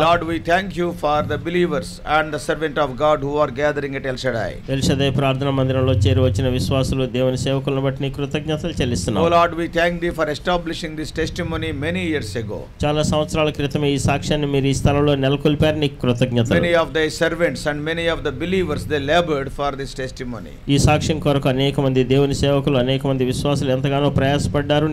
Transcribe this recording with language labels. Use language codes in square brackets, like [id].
[en] Lord, we thank you for the believers and the servant of God who are gathering at El-Shaddai. [te] El-Shaddai ప్రార్థన మందిరంలో చేరి వచ్చిన విశ్వాసులు దేవుని సేవకులను బట్టి కృతజ్ఞతలు చెల్లిస్తున్నాం. [en] Oh Lord, we thank thee for establishing this testimony many years ago. [te] చాలా సంవత్సరాల క్రితమే ఈ సాక్ష్యాన్ని మీరు ఈ స్థలంలో నెలకొల్పారు, నీకు కృతజ్ఞతలు. [en] Many of thy servants and many of the believers they labored for this testimony. [te] ఈ సాక్ష్యం కొరకు అనేక మంది దేవుని సేవకులు అనేక మంది విశ్వాసులు ఎంతగానో ప్రయాసపడి